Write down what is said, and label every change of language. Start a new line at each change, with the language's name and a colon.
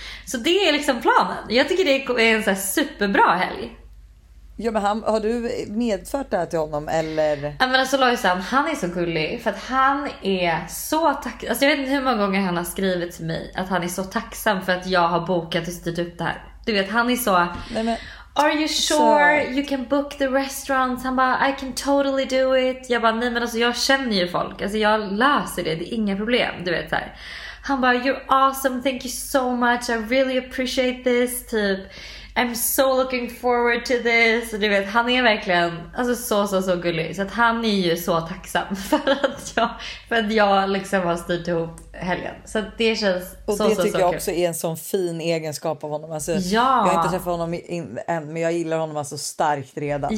Swedish: Så det är liksom planen. Jag tycker det är en så här superbra helg. Ja, men han, har du medfört det här till honom eller? Ja, men alltså Lojsan, han är så gullig. För att han är så tacksam. Alltså jag vet inte hur många gånger han har skrivit till mig att han är så tacksam för att jag har bokat och styrt upp det här. Du vet, han är så, nej, men...
English: Are you sure you can book the restaurant?
Swedish: Han bara,
English: I can totally do it.
Swedish: Jag bara, nej men alltså jag känner ju folk. Alltså jag löser det, det är inga problem. Du vet så här. Han bara,
English: you're awesome, thank you so much. I really appreciate this.
Swedish: Typ,
English: I'm so looking forward to this.
Swedish: Du vet, han är verkligen alltså så gullig. Så att han är ju så tacksam för att jag liksom har styrt ihop helgen. Så att det känns och så kul. Och det tycker jag också är en sån fin egenskap av honom. Alltså, ja. Jag har inte träffat honom än, men jag gillar honom alltså starkt redan.